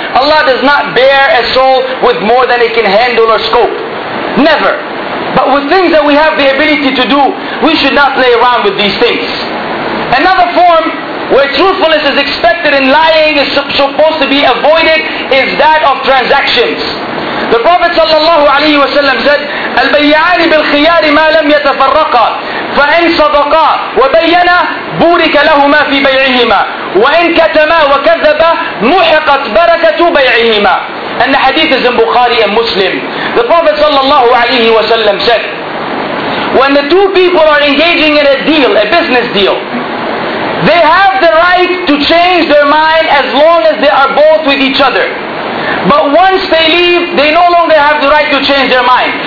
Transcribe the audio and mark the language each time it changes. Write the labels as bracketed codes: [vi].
[en] Allah does not bear a soul with more than it can handle or scope. Never. But with things that we have the ability to do, we should not play around with these things. Another form where truthfulness is expected and lying is supposed to be avoided is that of transactions. The Prophet sallallahu alayhi wa sallam said, [ar] الْبَيَّعَانِ بِالْخِيَارِ مَا لَمْ يَتَفَرَّقَ فَإِنْ صَدَقَا وَبَيَّنَا بُورِكَ لَهُمَا فِي بَيْعِهِمَا وَإِنْ كَتَمَا وَكَذَّبَا مُحِقَتْ بَرَكَةُ بَيْعِهِمَا. [en] And the hadith is in Bukhari and Muslim. The Prophet sallallahu alayhi wa sallam said, when the two people are engaging in a deal, a business deal, they have the right to change their mind as long as they are both with each other. But once they leave, they no longer have the right to change their mind.